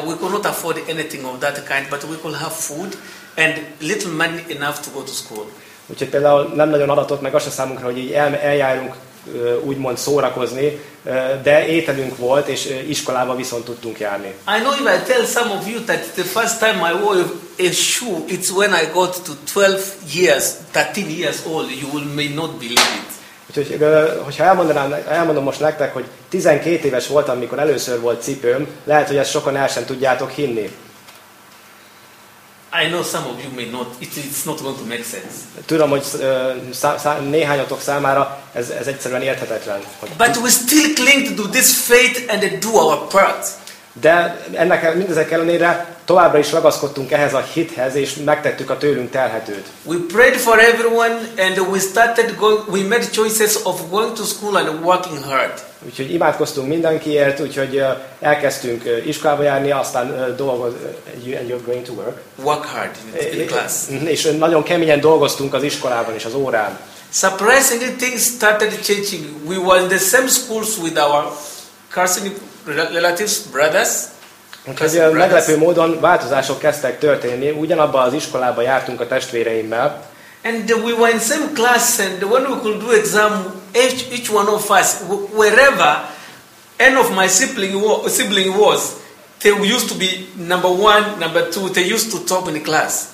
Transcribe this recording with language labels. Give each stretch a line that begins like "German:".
English: We could not afford anything of that kind, but we could have food and little money enough to go to school.
Hungarian: Úgyhogy például nem nagyon adatott meg azt a számunkra, hogy így eljárunk úgymond szórakozni, de ételünk volt, és iskolába viszont tudtunk járni.
English: I know if I tell some of you that the first time I wore a shoe, it's when I got to 12 years, 13 years old, you will may not believe it.
Hungarian: Úgyhogy, hogyha elmondom most nektek, hogy 12 éves voltam, amikor először volt cipőm, lehet, hogy ezt sokan el sem tudjátok hinni.
English: I know some of you may not. It's not going to make sense.
Hungarian: Tudom, hogy néhányatok számára ez egyszerűen érthetetlen.
English: But we still cling to this faith and do our part.
Hungarian: De ennek mindezek ellenére továbbra is ragaszkodtunk ehhez a hithez, és megtettük a tőlünk telhetőt.
English: We prayed for everyone and we made choices of going to school and working hard.
Hungarian: Úgyhogy imádkoztunk mindenkiért, úgyhogy elkezdtünk iskolába járni, aztán
English: you're going to work. Work hard in class.
Hungarian: És nagyon keményen dolgoztunk az iskolában és az órán.
English: Surprisingly, things started changing. We were in the same schools with our cousin relatives, brothers.
Hungarian: Úgyhogy meglepő módon változások kezdtek történni. Ugyanabban az iskolában jártunk a testvéreimmel.
English: And we were in same class, and when we could do exam, each one of us, wherever any of my sibling was, they used to be number one, number two, they used to top in the class.